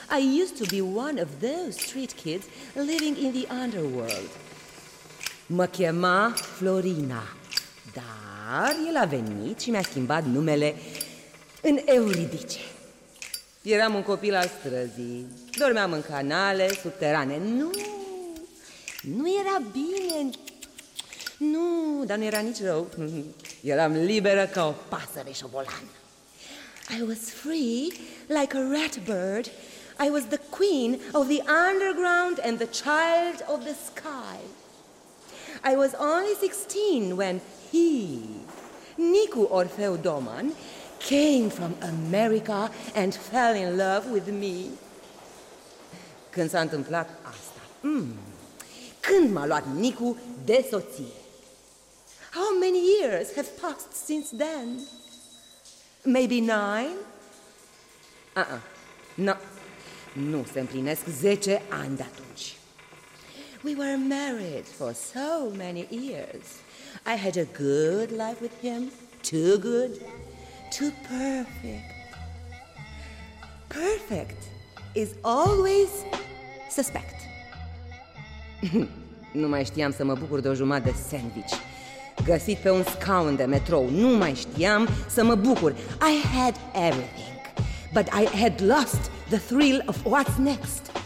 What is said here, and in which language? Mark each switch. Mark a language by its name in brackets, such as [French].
[English] I used to be one of those street kids living in the underworld. [Romanian] Mă chema Florina, dar el a venit și mi-a schimbat numele în Euridice. Eram un copil al străzii. Dormeam în canale, subterane. Nu era bine. Nu, dar nu era nici rău. Eram liberă ca o pasăre șobolan. [English] I was free like a rat bird. I was the queen of the underground and the child of the sky. I was only 16 when he, Nicu Orfeu Doman, came from America and fell in love with me. [Romanian] Când s-a întâmplat asta? Când m-a luat Nicu de soție? [English] How many years have passed since then? Maybe 9? [Romanian] Nu se împlinesc 10 ani de atunci. [English] We were married for so many years. I had a good life with him. Too good. Too perfect. Perfect is always suspect. [Romanian] Nu mai știam să mă bucur de o jumătate de sandwich găsit pe un scaun de metrou. Nu mai știam să mă bucur. [English] I had everything, but I had lost the thrill of what's next.